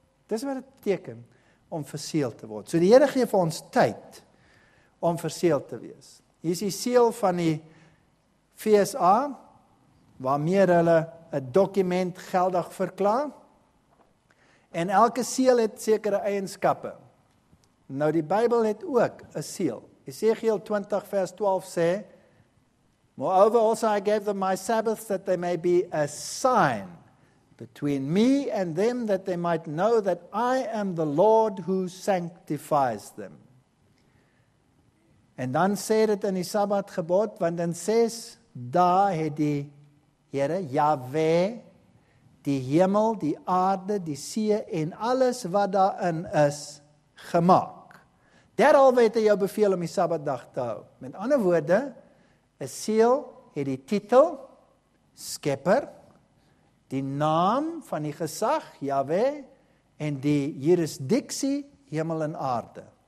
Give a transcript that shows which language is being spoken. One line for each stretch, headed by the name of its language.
Afrikaans: Dis wat het beteken om verseël te word. So die Here gee vir ons tyd om verseël te wees. Hier is die seël van die VSA, waarmee hulle 'n dokument geldig verklaar. En elke seël het sekere eienskappe. Nou die Bybel het ook 'n seël. Esegiel 20 vers 12 sê,
English: Moreover also I gave them my Sabbath that they may be a sign between me and them that they might know that I am the Lord who sanctifies them.
Afrikaans: En dan sê dit in die Sabbat gebod, want in 6 dae het die Here, Yahweh, die hemel, die aarde, die see en alles wat daarin is, gemaak. Derhalwe het hy jou beveel om die Sabbatdag te hou. Met ander woorde, 'n seël het die titel, Skepper, die naam van die gesag, Yahweh, en die jurisdiksie, hemel en aarde.